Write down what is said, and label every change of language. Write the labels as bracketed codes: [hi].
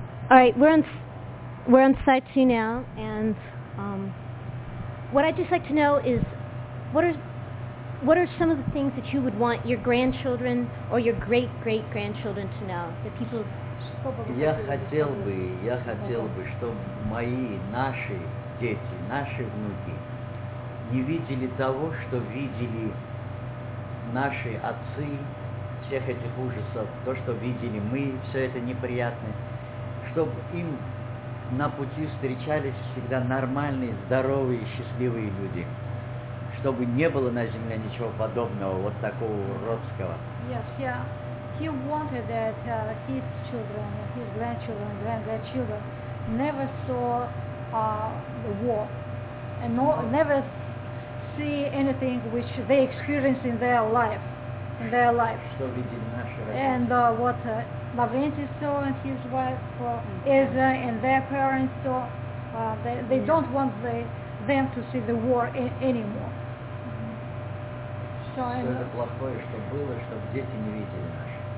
[en] All right, we're on site 2 now, and what I'd just like to know is what are some of the things that you would want your grandchildren or your great-great-grandchildren to know, that people [ru] Я хотел бы, чтобы мои, наши дети, наши внуки не видели того, что видели наши отцы, всех этих ужасов, то, что видели мы, все это неприятное, чтобы им на пути встречались всегда нормальные, здоровые, счастливые люди, чтобы не было на земле ничего подобного, вот такого уродского. [en] He wanted that his children, his grandchildren, grandchildren never saw the war and never see anything which they experienced in their life. In their life. And what Lavrentiy saw and his wife, Eza and their parents saw, they don't want them to see the war anymore. [ru] Все это плохое, что было, чтобы дети не видели наши.